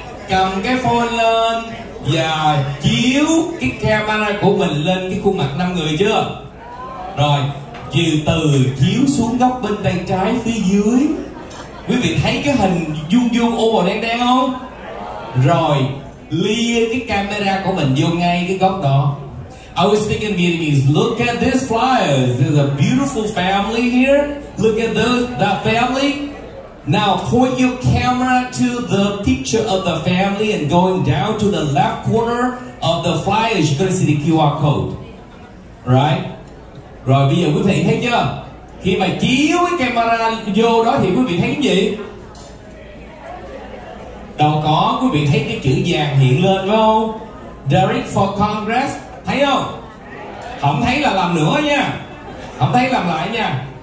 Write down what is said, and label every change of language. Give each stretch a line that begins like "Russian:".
Vietnamese: Cầm cái phone lên và chiếu cái camera của mình lên cái khuôn mặt 5 người chưa? Rồi, từ từ chiếu xuống góc bên tay trái phía dưới. Quý vị thấy cái hình vuông vuông ô màu đen đen không? Rồi, lia cái camera của mình vô ngay cái góc đó.
English: I was thinking Vietnamese, look at this flyers. There's a beautiful family here. Look at that family. Now point your camera to the picture of the family and going down to the left corner of the flyers, you're gonna see the QR code. Right?
Vietnamese: Rồi bây giờ quý vị thấy chưa? Khi mà chiếu cái camera vô đó thì quý vị thấy cái gì? Đâu có, quý vị thấy cái chữ vàng hiện lên phải không? Direct for Congress. Thấy không? Không thấy là làm nữa nha. Không thấy làm lại nha.